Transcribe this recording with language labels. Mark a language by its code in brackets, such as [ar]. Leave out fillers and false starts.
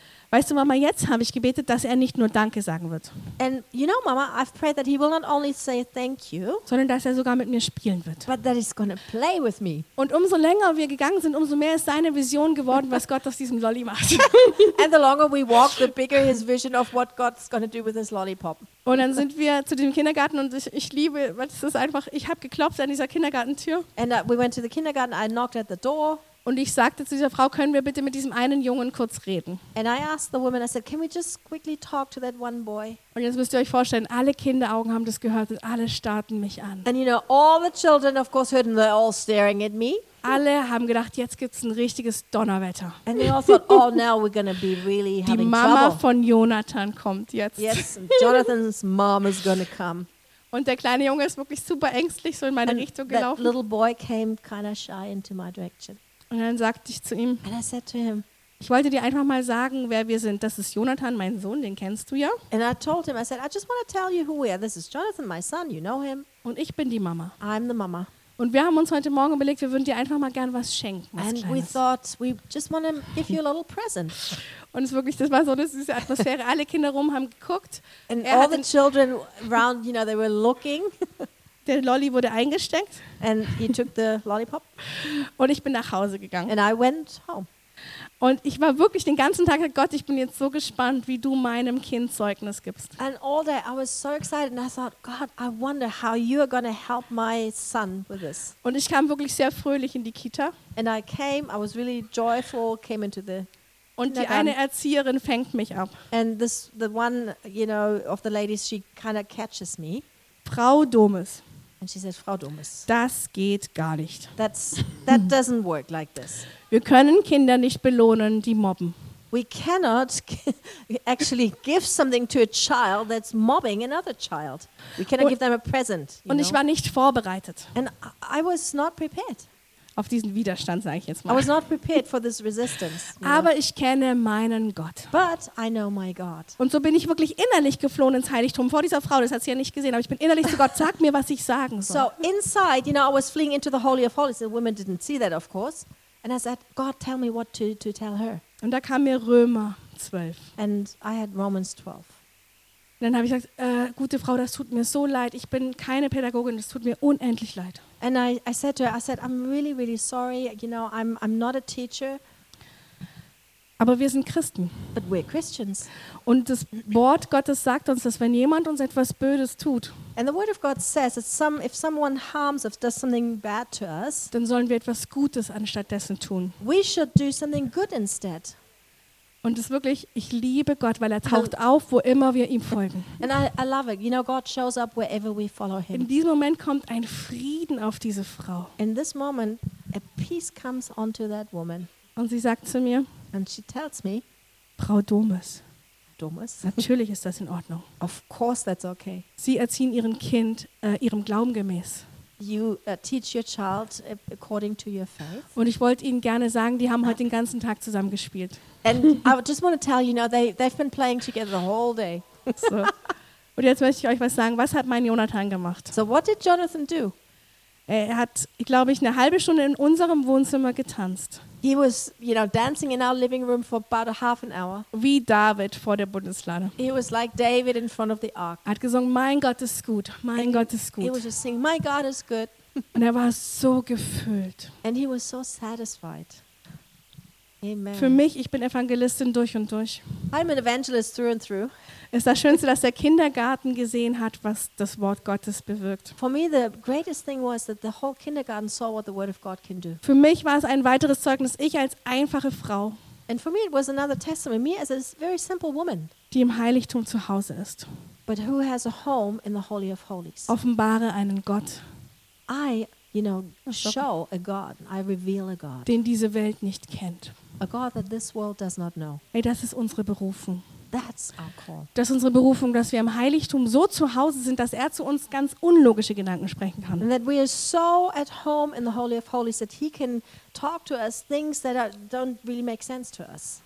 [de] Weißt du, Mama, jetzt habe ich gebetet, dass er nicht nur Danke sagen wird. [en] And you know, Mama, I've prayed that he will not only say thank you, [de] sondern dass er sogar mit mir spielen wird. [en] But that he's gonna play with me. [de] Und umso länger wir gegangen sind, umso mehr ist seine Vision geworden, was Gott aus diesem Lolli macht. [en] And the longer we walk, the bigger his vision of what God's gonna do with his lollipop. [de] Und dann sind wir zu dem Kindergarten und ich liebe, weil es ist einfach, ich habe geklopft an dieser Kindergartentür. [en] And we went to the kindergarten. I knocked at the door. [de] Und ich sagte zu dieser Frau, können wir bitte mit diesem einen Jungen kurz reden? [en] And I asked the woman, I said, can we just quickly talk to that one boy? [de] Und jetzt müsst ihr euch vorstellen, alle Kinderaugen haben das gehört und alle starrten mich an. [en] And you know, all the children of course heard and they're all staring at me. [de] Alle haben gedacht, jetzt gibt's ein richtiges Donnerwetter. [en] And they all thought, oh, now we're gonna be really having trouble. [de] Die Mama [en] trouble. [de] Von Jonathan kommt jetzt. [en] Yes, Jonathan's mom is gonna come. [de] Und der kleine Junge ist wirklich super ängstlich so in meine [en] and [de] Richtung gelaufen. [en] That little boy came kind of shy into my direction. [de] Und dann sagte ich zu ihm, [en] and I said to him, [de] ich wollte dir einfach mal sagen, wer wir sind. Das ist Jonathan, mein Sohn, den kennst du ja. [en] And I told him, I said, I just want to tell you who we are. This is Jonathan, my son, you know him. [de] Und ich bin die Mama. [en] I'm the mama. [de] Und wir haben uns heute Morgen überlegt, wir würden dir einfach mal gern was schenken, was [en] and [de] Kleines. [en] We thought, we just want to give you a little present. [de] Und es wirklich, das war so eine süße Atmosphäre. Alle Kinder rum haben geguckt. [en] And all the children around, you know, they were looking. [de] Der Lolli wurde eingesteckt. [en] And he took the lollipop. [de] Und ich bin nach Hause gegangen. [en] And I went home. [de] Und ich war wirklich den ganzen Tag, Gott, ich bin jetzt so gespannt, wie du meinem Kind Zeugnis gibst. [en] And all day I was so excited and I thought, God, I wonder how you're going to help my son with this. [de] Und ich kam wirklich sehr fröhlich in die Kita. [en] And I came, I was really joyful, came into the [de] und die eine Erzieherin fängt mich ab. [en] And this, the one, you know, of the ladies, she kind of catches me. [de] Frau Domes. [en] And she said, Frau Domes. [de] Das geht gar nicht. [en] That doesn't work like this. [de] Wir können Kinder nicht belohnen, die mobben. [en] We cannot actually give something to a child that's mobbing another child. We cannot give them a present. [de] Und know? Ich war nicht vorbereitet. [en] And I was not prepared. [de] Auf diesen Widerstand, sage ich jetzt mal. [en] I was not prepared for this resistance. [de] Aber ich kenne meinen Gott. [en] But I know my God. [de] Und so bin ich wirklich innerlich geflohen ins Heiligtum vor dieser Frau. Das hat sie ja nicht gesehen, aber ich bin innerlich zu Gott. Sag mir, was ich sagen soll. [en] So inside, you know, I was fleeing into the Holy of Holies. The women didn't see that, of course. And I said, God, tell me what to tell her. [de] Und da kam mir Römer 12. [en] And I had Romans 12. [de] Und dann habe ich gesagt, gute Frau, das tut mir so leid. Ich bin keine Pädagogin, das tut mir unendlich leid. [en] And I said to her, I said, I'm really, really sorry. You know, I'm not a teacher. [de] Aber wir sind Christen. [en] But we're Christians. [de] Und das Wort Gottes sagt uns, dass wenn jemand uns etwas Böses tut, [en] and the word of God says that if someone harms us, does something bad to us, [de] dann sollen wir etwas Gutes anstattdessen tun. [en] We should do something good instead. [de] Und es ist wirklich, ich liebe Gott, weil er taucht auf, wo immer wir ihm folgen. [en] And I love it. You know, God shows up wherever we follow him. [de] In diesem Moment kommt ein Frieden auf diese Frau. [en] In this moment, a peace comes onto that woman. [de] Und sie sagt zu mir, [en] and she tells me, [de] Frau Domes. Domes. Natürlich ist das in Ordnung. [en] Of course that's okay. [de] Sie erziehen ihren Kind ihrem Glauben gemäß. [en] You teach your child according to your faith. [de] Und ich wollte Ihnen gerne sagen, die haben heute den ganzen Tag zusammen gespielt. [en] And I just want to tell you now, they've been playing together the whole day. [de] So. Und jetzt möchte ich euch was sagen. Was hat mein Jonathan gemacht? [en] So what did Jonathan do? [de] Er hat, glaube ich, eine halbe Stunde in unserem Wohnzimmer getanzt. [en] He was, you know, dancing in our living room for about a half an hour. [de] Wie David vor der Bundeslade. [en] He was like David in front of the ark. [de] Er hat gesungen, mein Gott ist gut, mein and Gott ist gut. [en] He was just singing, my God is good. [de] Und er war so gefüllt. [en] And he was so satisfied. Amen. [de] Für mich, ich bin Evangelistin durch und durch. [en] I'm an evangelist through and through. [de] Ist das Schönste, dass der Kindergarten gesehen hat, was das Wort Gottes bewirkt. [en] For me, the greatest thing was that the whole kindergarten saw what the word of God can do. [de] Für mich war es ein weiteres Zeugnis, ich als einfache Frau. [en] And for me, it was another testimony, me as a very simple woman. [de] Die im Heiligtum zu Hause ist. [en] But who has a home in the Holy of Holies? [de] Offenbare einen Gott. [en] I, you know, show a God. I reveal a God. [de] Den diese Welt nicht kennt. [en] A God that this world does not know. [de] Ey, das ist unsere Berufung. [en] That's our call. [de] Das ist unsere Berufung, dass wir im Heiligtum so zu Hause sind, dass er zu uns ganz unlogische Gedanken sprechen kann. [en] And that we are so at home in the Holy of Holies that he can talk to us things that don't really make sense to us.